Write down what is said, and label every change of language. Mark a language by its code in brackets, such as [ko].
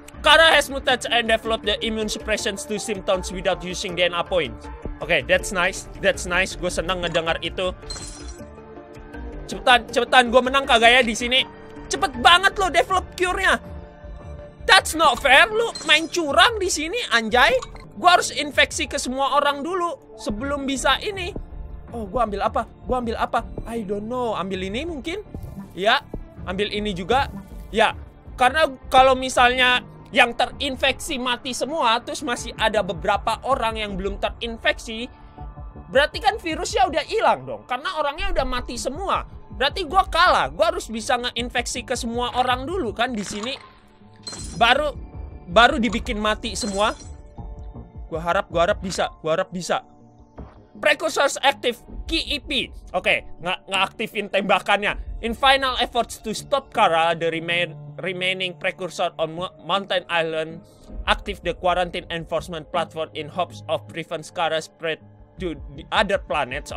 [en] Kara has mutated and developed the immune suppression to symptoms without using DNA points. Okay, that's nice. [id] Gue senang ngedengar itu. Cepetan, gue menang kagak ya di sini? Cepet banget lo develop cure-nya. [en] That's not fair, [id] lo main curang di sini, anjay. Gue harus infeksi ke semua orang dulu sebelum bisa ini. Oh, gue ambil apa? [en] I don't know, [id] ambil ini mungkin? Ya, ambil ini juga. Ya, karena kalau misalnya yang terinfeksi mati semua, terus masih ada beberapa orang yang belum terinfeksi, berarti kan virusnya udah hilang dong, karena orangnya udah mati semua. Berarti gue kalah, gue harus bisa ngeinfeksi ke semua orang dulu kan di sini, baru dibikin mati semua. Gue harap bisa. [en] Precursors active, KEP. [id] Oke, ngeaktifin tembakannya. [en] In final efforts to stop Kara, the remaining precursor on Mountain Island active the quarantine enforcement platform in hopes of prevent Kara spread to the other planets.